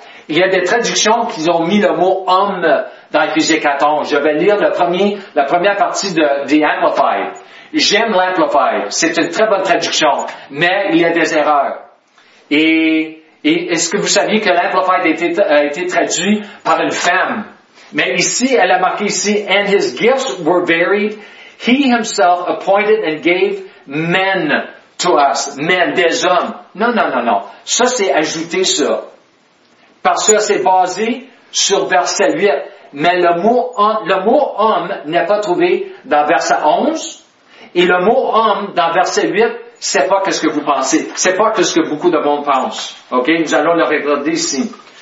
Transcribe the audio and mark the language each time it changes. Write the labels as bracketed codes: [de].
[fr] Il y a des traductions qui ont mis le mot « homme » dans Éphésiens 14. Je vais lire la première partie de « The Amplified ». J'aime l'Amplified. C'est une très bonne traduction. Mais il y a des erreurs. Et est-ce que vous saviez que l'Amplified a été traduit par une femme? Mais ici, elle a marqué ici « [en] And his gifts were varied. He himself appointed and gave men to us. » Men, [fr] des hommes. Non, non, non, non. Ça, c'est ajouté ça. Parce que c'est basé sur verset 8. Mais le mot homme n'est pas trouvé dans verset 11. Et le mot homme dans verset 8, c'est pas ce que vous pensez. C'est pas ce que beaucoup de monde pense. OK? Nous allons le regarder ici.